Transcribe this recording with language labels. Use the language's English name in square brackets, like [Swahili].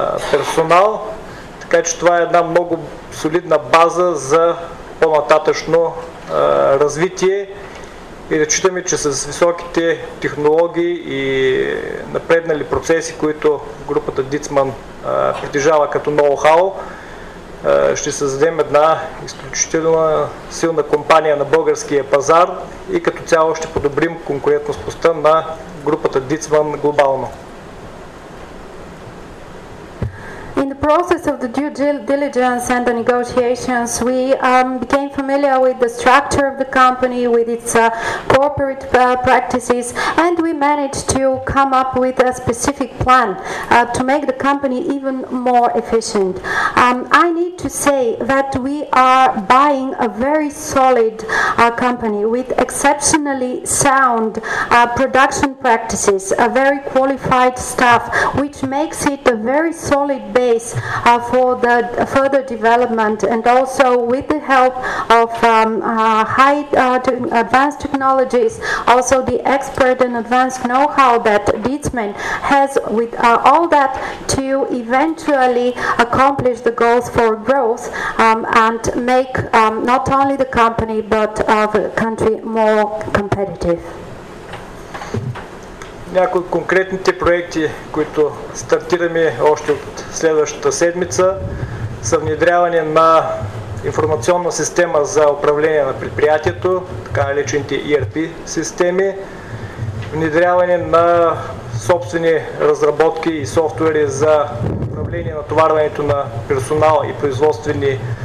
[Bulgarian] персонал, така че това е една много солидна база за по-нататъчно развитие и разчитаме, че с високите технологии и напреднали процеси, които групата Ditzman притежава като ноу-хау, ще създадем една изключително силна компания на българския пазар и като цяло ще подобрим конкурентоспособността на групата Ditzman глобално. [English] In the process of the due diligence and the negotiations, we became familiar with the structure of the company, with its corporate practices, and we managed to come up with a specific plan to make the company even more efficient. I need to say that we are buying a very solid company with exceptionally sound production practices, a very qualified staff, which makes it a very solid base for the further development, and also with the help of advanced technologies, also the expert and advanced know-how that Ditzman has with all that to eventually accomplish the goals for growth and make not only the company but the country more competitive. [Bulgarian] Някои от конкретните проекти, които стартираме още от следващата седмица, са внедряване на информационна система за управление на предприятието, така наречените ERP системи, внедряване на собствени разработки и софтуери за управление на товарването на персонал и производствени